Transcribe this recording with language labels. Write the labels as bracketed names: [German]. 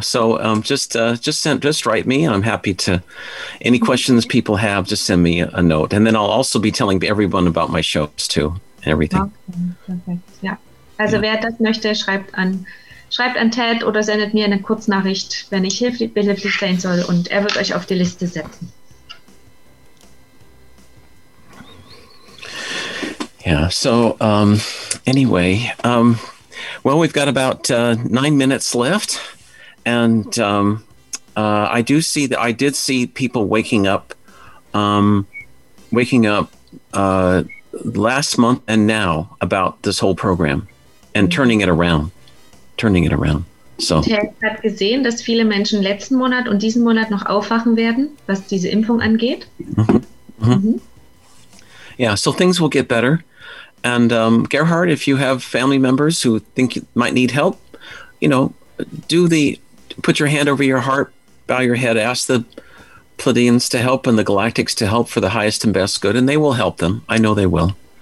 [English] So just write me, and I'm happy to any questions people have, just send me a note. And then I'll also be telling everyone about my shows too and everything. [German] Perfekt. Ja. Also wer das möchte, schreibt an Ted oder sendet mir eine Kurznachricht, wenn ich behilflich sein soll, und er wird euch auf die Liste setzen. [English] Yeah, so anyway, well, we've got about 9 minutes left, and I do see that I did see people waking up last month and now about this whole program and turning it around. So. [German] Ted hat gesehen, dass viele Menschen letzten Monat und diesen Monat noch aufwachen werden, was diese Impfung angeht. [English] Yeah, so things will get better. And Gerhard, if you have family members who think you might need help, put your hand over your heart, bow your head, ask the Pleiadians to help and the Galactics to help for the highest and best good, and they will help them. I know they will.